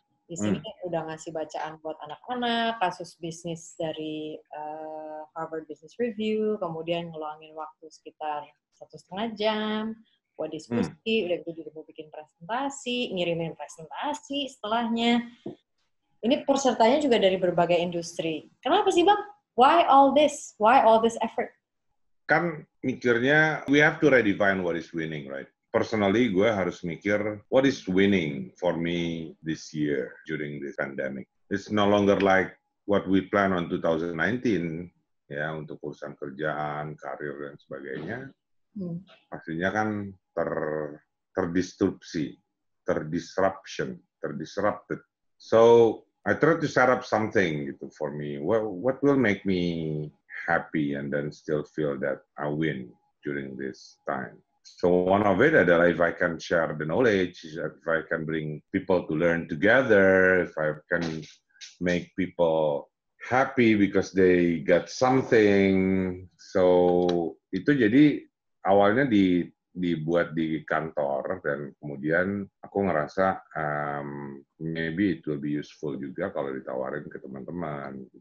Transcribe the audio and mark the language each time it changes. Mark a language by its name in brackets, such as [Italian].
[Indonesian] Di sini udah ngasih bacaan buat anak-anak, kasus bisnis dari Harvard Business Review, kemudian ngeluangin waktu sekitar 1,5 jam, buat diskusi, udah gitu juga mau bikin presentasi, ngirimin presentasi setelahnya. Ini pesertanya juga dari berbagai industri. Kenapa sih Bang? [English] Why all this? Why all this effort? [Indonesian] Kan mikirnya, [English] we have to redefine what is winning, right? Personally, [Indonesian] gue harus mikir, [English] what is winning for me this year during this pandemic? It's no longer like what we plan on 2019, [Indonesian] ya, untuk urusan kerjaan, karir, dan sebagainya. Pastinya kan terdisrupted. [English] So, I try to set up something [Indonesian] gitu, [English] for me. What will make me happy and then still feel that I win during this time? So one of it [Indonesian] adalah [English] if I can share the knowledge, if I can bring people to learn together, if I can make people happy because they got something. [Indonesian] So itu jadi awalnya dibuat di kantor dan kemudian aku ngerasa [English] maybe it will be useful [Indonesian] juga kalau ditawarin ke teman-teman.